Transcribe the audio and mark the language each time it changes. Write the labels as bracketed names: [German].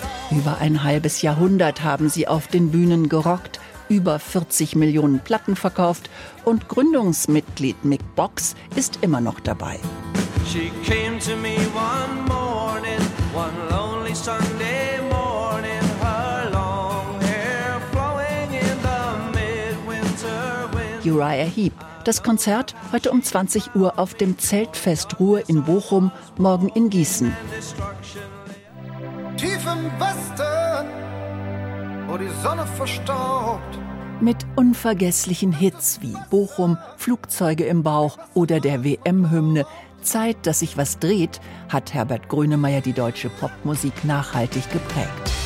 [German] Über ein halbes Jahrhundert haben sie auf den Bühnen gerockt, über 40 Millionen Platten verkauft und Gründungsmitglied Mick Box ist immer noch dabei. [English] She came to me one morning, one lonely Sunday morning, her long hair flowing in the midwinter wind. [German] Uriah Heep, das Konzert heute um 20 Uhr auf dem Zeltfest Ruhr in Bochum, morgen in Gießen. Tief im Westen, wo die Sonne verstaubt. Mit unvergesslichen Hits wie Bochum, Flugzeuge im Bauch oder der WM-Hymne Zeit, dass sich was dreht, hat Herbert Grönemeyer die deutsche Popmusik nachhaltig geprägt.